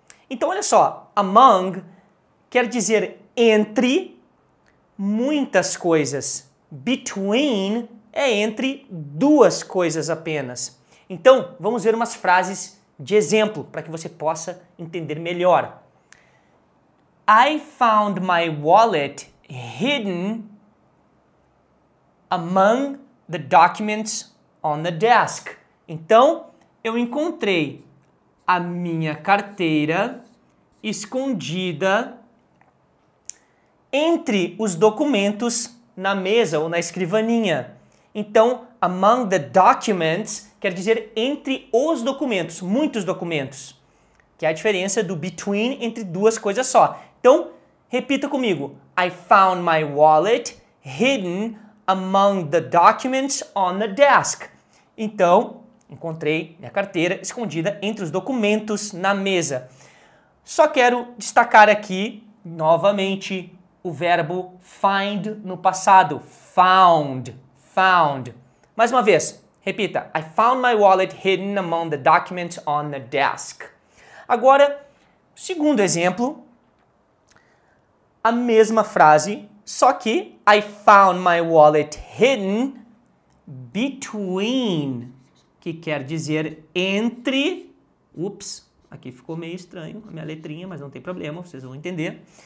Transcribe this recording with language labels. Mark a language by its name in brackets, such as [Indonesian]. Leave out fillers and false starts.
[Portuguese] Então, olha só, among quer dizer entre muitas coisas. Between é entre duas coisas apenas. Então, vamos ver umas frases de exemplo para que você possa entender melhor. [English] I found my wallet hidden among the documents on the desk. [Portuguese] Então, eu encontrei a minha carteira escondida entre os documentos na mesa ou na escrivaninha. Então, among the documents quer dizer entre os documentos, muitos documentos. Que é a diferença do between entre duas coisas só. Então, repita comigo. [English] I found my wallet hidden among the documents on the desk. [Portuguese] Então, encontrei minha carteira escondida entre os documentos na mesa. Só quero destacar aqui, novamente, o verbo find no passado, found, found. Mais uma vez, repita. [English] I found my wallet hidden among the documents on the desk. [Portuguese] Agora, segundo exemplo, a mesma frase, só que [English] I found my wallet hidden between, [Portuguese] que quer dizer entre, ups, aqui ficou meio estranho a minha letrinha, mas não tem problema, vocês vão entender.